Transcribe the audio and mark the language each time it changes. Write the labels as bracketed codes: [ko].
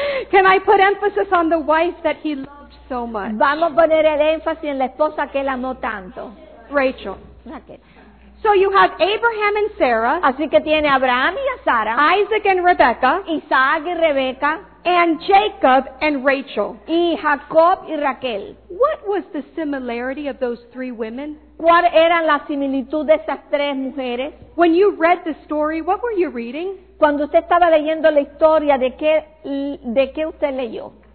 [en] Can I put emphasis on the wife that he loved so much? [es] Vamos a poner el énfasis en la esposa que él amó tanto. [en] Rachel. [es] Raquel. [en] So you have Abraham and Sarah. [es] Así que tiene Abraham y a Sara. [en] Isaac and Rebecca. [es] Isaac y Rebeca. [en] And Jacob and Rachel. [es] Y Jacob y Raquel. [en] What was the similarity of those three women? [es] ¿Cuál era la similitud de esas tres mujeres? [en] When you read the story, what were you reading? [es] Cuando usted estaba leyendo la historia, ¿de qué usted leyó?